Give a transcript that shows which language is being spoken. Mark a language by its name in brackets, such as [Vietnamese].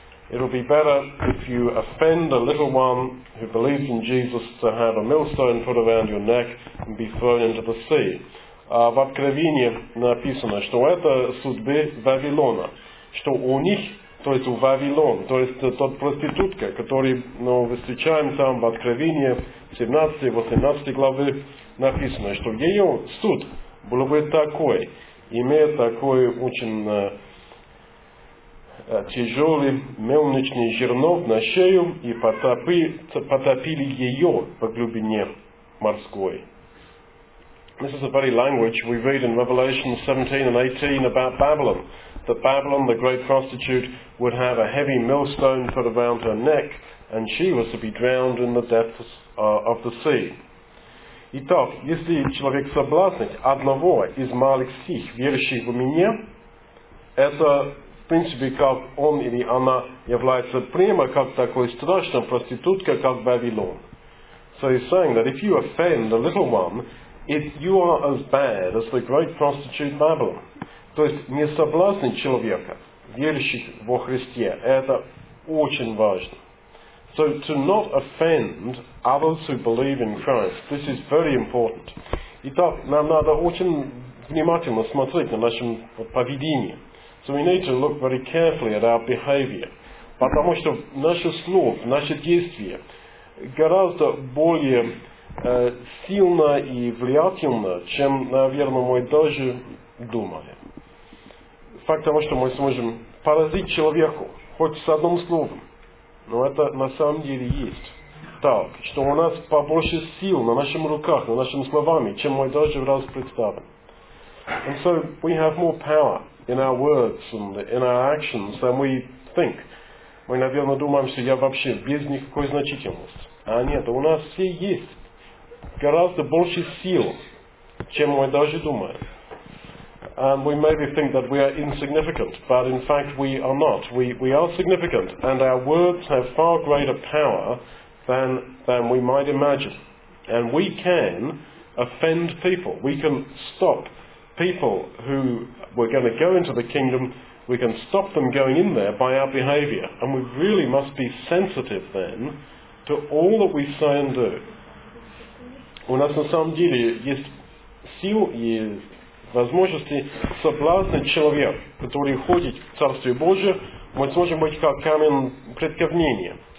[English] It will be better if you offend a little one who believes in Jesus to have a millstone put around your neck and be thrown into the sea. [Russian] В Откровении написано, что это судьбы Вавилона, что у них, то есть у Вавилон, то есть тот проститутка, который, ну, мы встречаем там в Откровении 17-18 главы, написано, что ее суд был бы такой, имея такой очень тяжелый мельничный жернов на шею и потопили ее по глубине морской. [English] This is the very language we read in Revelation 17 and 18 about Babylon. That Babylon, the great prostitute, would have a heavy millstone put around her neck and she was to be drowned in the depths of the sea. [Russian] Итак, если человек соблазнит одного из малых сих, верующих в меня, это в принципе, как он или она является прямо как такой страшной проститутка, как Вавилон. [English] So he's saying that if you offend the little one, you are as bad as the great prostitute Babylon. [Russian] То есть не соблазны человека, верующих во Христе, это очень важно. [English] So to not offend others who believe in Christ, this is very important. [Russian] Итак, нам надо очень внимательно смотреть на нашем поведении. [English] So we need to look very carefully at our behavior. [Russian] Потому что наше слово, наше действие гораздо более сильно и влиятельно, чем, наверное, мы даже думали. Факт того, что мы сможем поразить человеку, хоть с одним словом, но это на самом деле есть так, что у нас побольше сил на наших руках, на наших словах, чем мы даже в раз представим. [English] And so we have more power in our words and in our actions than we think. [Russian] Мы, наверное, думаем, что я вообще без никакой значительности. А нет, у нас все есть гораздо больше сил, чем мы даже думаем. [English] And we maybe think that we are insignificant, but in fact we are not. We are significant, and our words have far greater power than we might imagine. And we can offend people. We can stop people who were going to go into the kingdom. We can stop them going in there by our behavior. And we really must be sensitive then to all that we say and do. [Russian] У нас на самом деле есть силы и возможности соблазнить человек, который ходит в Царствие Божие, мы сможем быть как камень преткновения.